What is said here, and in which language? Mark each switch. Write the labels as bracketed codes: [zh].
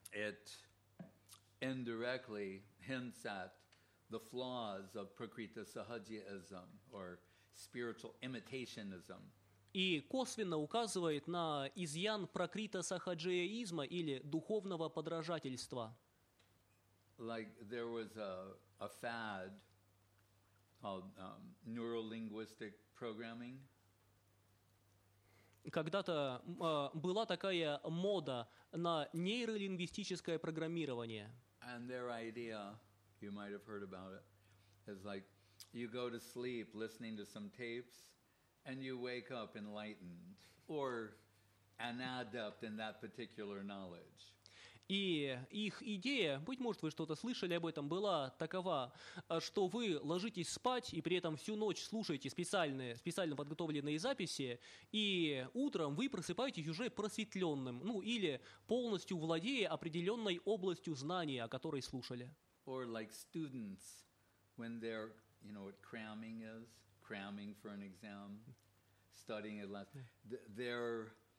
[en] It indirectly hints at the flaws of prakriti sahajism or spiritual imitationism. [ru] И косвенно указывает на изъян прокрита сахаджеизма или духовного подражательства. [en] Like there was a fad called neuro-linguistic programming. [ru] Когда-то была такая мода на нейролингвистическое программирование. [en] And their idea, you might have heard about it, is like you go to sleep listening to some tapes and you wake up enlightened or an adept in that particular knowledge. [ru] И их идея, быть может, вы что-то слышали об этом, была такова, что вы ложитесь спать и при этом всю ночь слушаете специально подготовленные записи, и утром вы просыпаетесь уже просветленным, ну или полностью владея определенной областью знания, о которой слушали. [en] Or like students, when they're, you know, what cramming is, cramming for an exam, studying at last, they're...